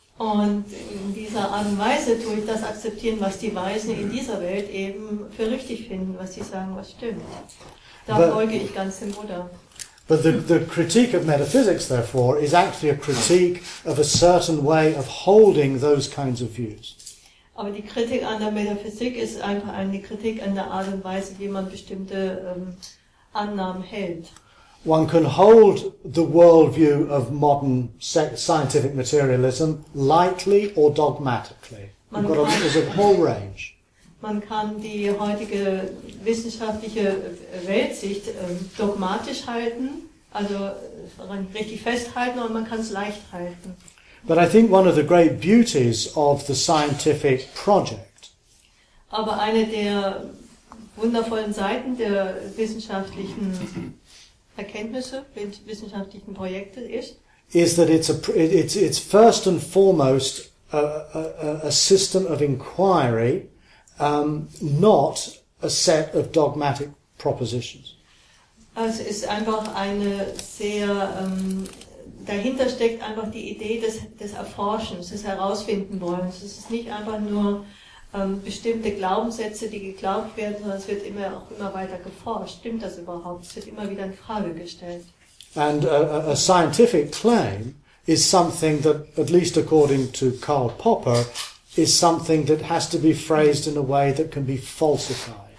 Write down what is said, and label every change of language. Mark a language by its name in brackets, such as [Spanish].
[German] Und in dieser Art und Weise tue ich das akzeptieren, was die Weisen in dieser Welt eben für richtig finden, was sie sagen, was stimmt. Da folge ich ganz dem Buddha. [English] But the critique of metaphysics, therefore, is actually a critique of a certain way of holding those kinds of views. [German] Aber die Kritik an der Metaphysik ist einfach eine Kritik an der Art und Weise, wie man bestimmte Annahmen hält. [English] One can hold the worldview of modern scientific materialism lightly or dogmatically. There's a whole range. [German] Man kann die heutige wissenschaftliche Weltsicht dogmatisch halten, also richtig festhalten, oder man kann es leicht halten. [English] But I think one of the great beauties of the scientific project. [German] Aber eine der wundervollen Seiten der wissenschaftlichen Erkenntnisse mit wissenschaftlichen Projekten ist [English] that it's first and foremost a system of inquiry, not a set of dogmatic propositions. [German] Also es ist einfach eine sehr dahinter steckt einfach die Idee des Erforschens, des Herausfindenwollens. Es ist nicht einfach nur bestimmte Glaubenssätze, die geglaubt werden, sondern es wird immer auch immer weiter geforscht. Stimmt das überhaupt? Es wird immer wieder in Frage gestellt. [English] And a scientific claim is something that, at least according to Karl Popper, is something that has to be phrased in a way that can be falsified.